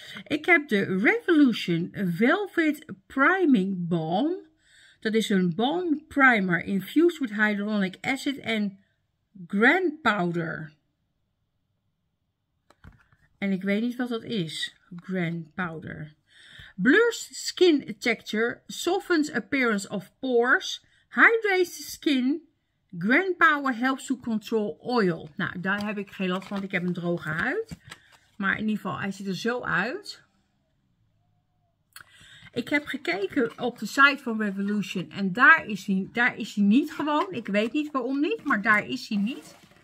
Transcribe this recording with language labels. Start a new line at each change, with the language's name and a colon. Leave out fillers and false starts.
Dutch: Ik heb de Revolution Velvet Priming Balm. Dat is een balm primer
English: infused with hyaluronic acid
Dutch: en gran powder. En ik weet niet wat dat is.
English: Gran powder. Blurs skin texture. Softens appearance of pores. Hydrates the skin. Grand Power Helps to Control Oil.
Dutch: Nou, daar heb ik geen last van, want ik heb een droge huid. Maar in ieder geval, hij ziet er zo uit. Ik heb gekeken op de site van Revolution en daar is hij niet gewoon. Ik weet niet waarom niet, maar daar is hij niet.